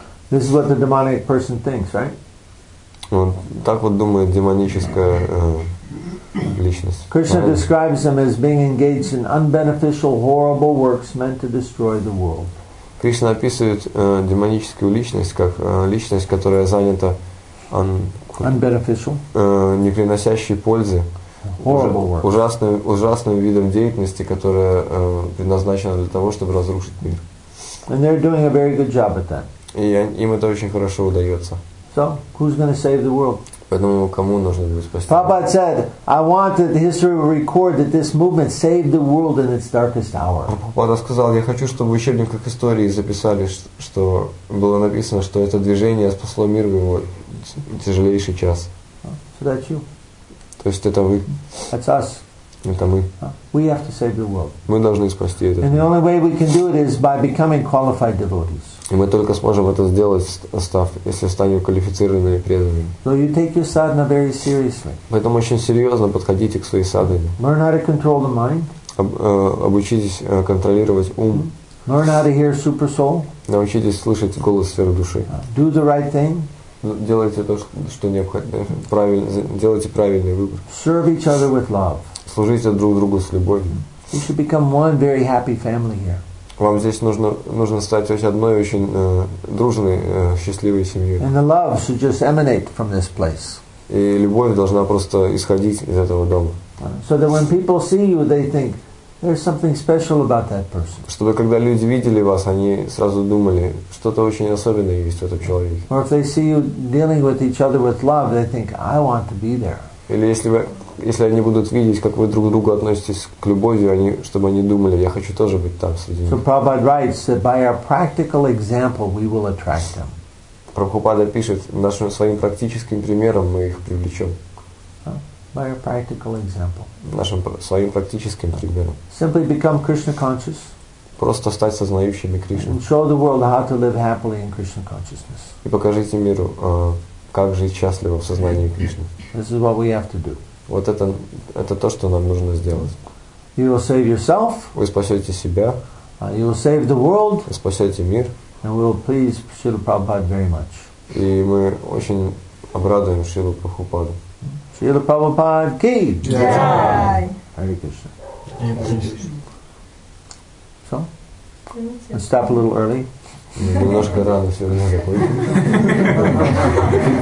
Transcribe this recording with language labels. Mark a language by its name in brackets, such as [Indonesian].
[English] This is what the demonic person thinks, right? [Russian] Так вот думает демоническая личность. [English] Krishna describes them as being engaged in unbeneficial, horrible works meant to destroy the world. [Russian] Кришна описывает демоническую личность как личность, которая занята [English] unbeneficial, [Russian] не приносящей пользы. Ужасным видом деятельности, которая предназначена для того, чтобы разрушить мир. [English] And they're doing a very good job at that. [Russian] И им это очень хорошо удается. [English] So, who's going to save the world? [Russian] Поэтому кому нужно будет спасти? [English] Prabhupada said, I want that history will record that this movement saved the world in its darkest hour. [Russian] Прабхупада сказал, я хочу, чтобы в учебниках истории записали, что было написано, что это движение спасло мир в его тяжелейший час. [English] So that's you. [Russian] То есть это вы. [English] That's us. [Russian] Это мы. [English] We have to save the world. [Russian] Мы должны спасти этот мир. [English] And the only way we can do it is by becoming qualified devotees. [Russian] И мы только сможем это сделать, если станем квалифицированными преданными. [English] So you take your sadhana very seriously. [Russian] Поэтому очень серьезно подходите к своей садхане. [English] Learn how to control the mind. [Russian] Обучитесь контролировать ум. [English] Learn how to hear super soul. [Russian] Научитесь слышать голос сферы души. [English] Do the right thing. [Russian] Делайте то, что необходимо. Делайте правильный выбор. [English] Serve each other with love. [Russian] Служите друг другу с любовью. [English] You should become one very happy family here. [Russian] Вам здесь нужно стать одной очень дружной, счастливой семьей. [English] And the love should just emanate from this place. [Russian] И любовь должна просто исходить из этого дома. [English] So that when people see you, they think, There's something special about that person. [Russian] Чтобы когда люди видели вас, они сразу думали, что-то очень особенное есть в этом человеке. [English] Or if they see you dealing with each other with love, they think, I want to be there. [Russian] Или если они будут видеть, как вы друг к другу относитесь к любовью, они, чтобы они думали, я хочу тоже быть там среди них. [English] So Prabhupada writes that by our practical example we will attract them. [Russian] Прабхупада пишет, нашим своим практическим примером мы их привлечем. [English] By a practical example. [Russian] Нашим своим практическим примером. [English] Simply become Krishna conscious. [Russian] Просто стать сознающими Кришну. [English] Show the world how to live happily in Krishna consciousness. [Russian] И покажите миру, как жить счастливо в сознании Кришны. [English] This is what we have to do. [Russian] Вот это то, что нам нужно сделать. [English] You will save yourself. [Russian] Вы спасете себя. [English] You will save the world. [Russian] Вы спасете мир. [English] And we will please Srila Prabhupada very much. [Russian] И мы очень обрадуем Шрилу Прабхупаду. Srila Prabhupada ki! Jai! Hare Krishna. Hare [English] Krishna. So? Let's stop a little early. [Russian] Немножко рано сегодня заходить.